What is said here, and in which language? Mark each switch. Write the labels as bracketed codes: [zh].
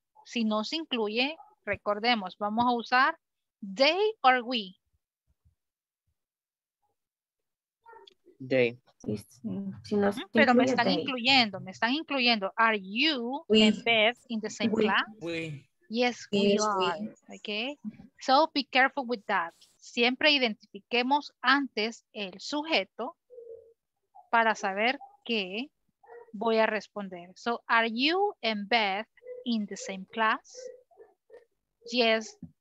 [es] Si no se incluye, recordemos, vamos a usar they or we. [en] They. [es] Pero me están incluyendo, me están incluyendo. [en] Are you and Beth in the same class? Yes, we are. Okay. So be careful with that. [es] Siempre identifiquemos antes el sujeto para saber qué voy a responder. [en] So are you and Beth in the same class? Yes,